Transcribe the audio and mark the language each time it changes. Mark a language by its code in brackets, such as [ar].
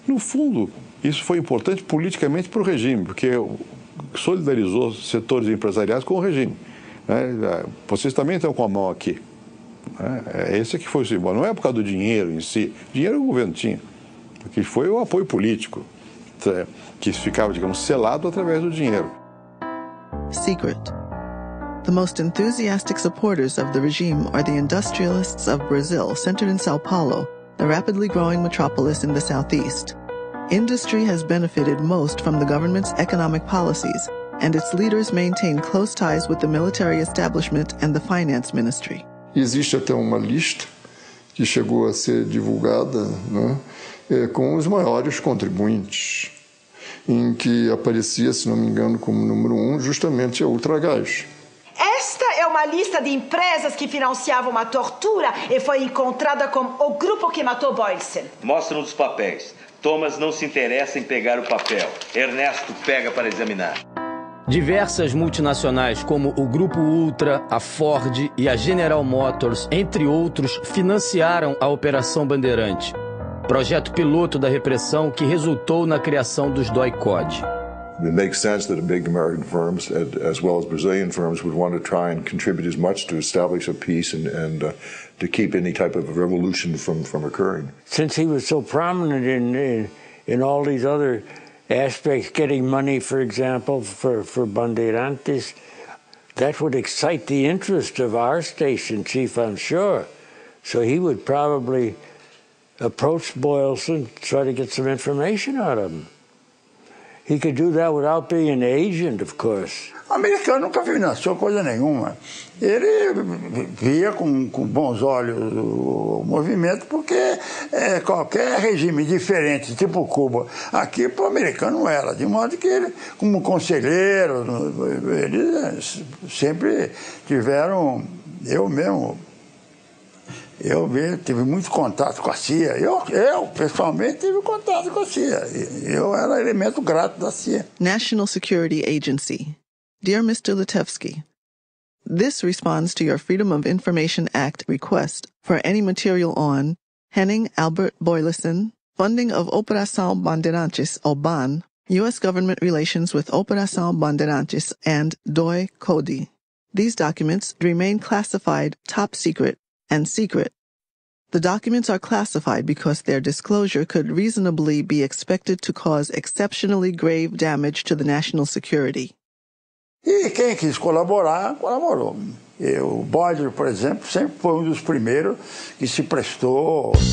[pt] No fundo, isso foi importante politicamente para o regime, porque solidarizou setores empresariais com o regime. Vocês também estão com a mão aqui. Esse é que foi o símbolo. Não é por causa do dinheiro em si. Dinheiro o governo tinha. Porque foi o apoio político que ficava, digamos, selado através do dinheiro. [en] Secret. The most enthusiastic supporters of the regime are the industrialists of Brazil, centered in São Paulo, the rapidly growing metropolis in the southeast. Industry has benefited most from the government's economic policies, and its leaders maintain close ties with the military establishment and the finance ministry. [pt] Existe até uma lista que chegou a ser divulgada, né, com os maiores contribuintes, em que aparecia, se não me engano, como número um, justamente a Ultragás. Esta é uma lista de empresas que financiavam a tortura e foi encontrada como o grupo que matou Boylsen. Mostra-nos os papéis. Thomas não se interessa em pegar o papel. Ernesto pega para examinar. Diversas multinacionais, como o Grupo Ultra, a Ford e a General Motors, entre outros, financiaram a Operação Bandeirante, projeto piloto da repressão que resultou na criação dos DOI-COD. [en] It makes sense that big American firms, as well as Brazilian firms, would want to try and contribute as much to establish a peace and to keep any type of revolution from occurring. Since he was so prominent in all these other aspects, getting money, for example, for Bandeirantes, that would excite the interest of our station chief, I'm sure. So he would probably approach Boylsen, try to get some information out of him. He could do that without being an agent, of course. [pt] O americano nunca financiou coisa nenhuma. Ele via com bons olhos o movimento, porque qualquer regime diferente, tipo Cuba, aqui para o americano era. De modo que ele, como conselheiro, eles sempre tiveram, eu mesmo tive muito contato com a CIA. Eu pessoalmente, tive contato com a CIA. Eu era elemento grato da CIA. [en] National Security Agency. Dear Mr. Litevsky, this responds to your Freedom of Information Act request for any material on Henning Albert Boylsen, funding of Operação Bandeirantes, OBAN, U.S. government relations with Operação Bandeirantes and DOI-COD. These documents remain classified top secret and secret. The documents are classified because their disclosure could reasonably be expected to cause exceptionally grave damage to the national security. [pt] E quem quis colaborar, colaborou. O Boyd, por exemplo, sempre foi um dos primeiros que se prestou.